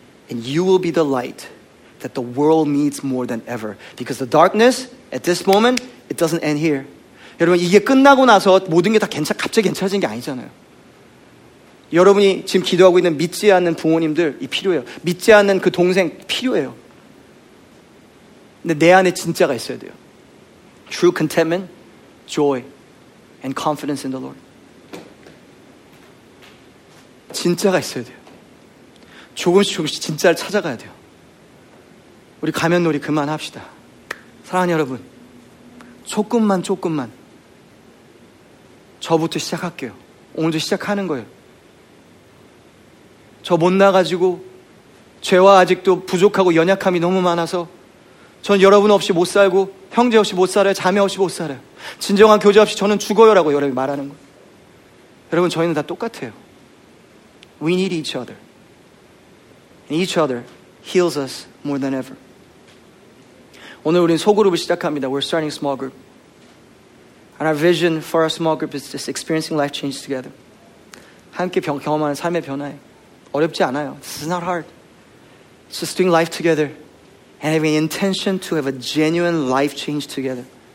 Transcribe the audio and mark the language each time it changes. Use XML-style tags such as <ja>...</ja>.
<en>And you will be the light that the world needs more than ever. Because the darkness, at this moment, it doesn't end here.</en> <ko>여러분 이게 끝나고 나서 모든 게 다 갑자기 괜찮아진 게 아니잖아요. 여러분이 지금 기도하고 있는 믿지 않는 부모님들이 필요해요. 믿지 않는 그 동생 필요해요. 근데 내 안에 진짜가 있어야 돼요.</ko> <en>True contentment, joy, and confidence in the Lord.</en> <ko>진짜가 있어야 돼요. 조금씩 조금씩 진짜를 찾아가야 돼요. 우리 가면놀이 그만합시다. 사랑하는 여러분, 조금만 조금만 저부터 시작할게요. 오늘도 시작하는 거예요. 저 못나가지고 죄와 아직도 부족하고 연약함이 너무 많아서 전 여러분 없이 못 살고 형제 없이 못 살아요. 자매 없이 못 살아요. 진정한 교제 없이 저는 죽어요 라고 여러분이 말하는 거예요. 여러분 저희는 다 똑같아요.</ko> <en>We need each other. And each other heals us more than ever.</en> <ko>오늘 우린 소그룹을 시작합니다.</ko> <en>We're starting a small group. And our vision for our small group is just experiencing life change together.</en> <ko>함께 경험하는 삶의 변화에 어렵지 않아요.</ko> <en>This is not hard. It's just doing life together and having an intention to have a genuine life change together.</en>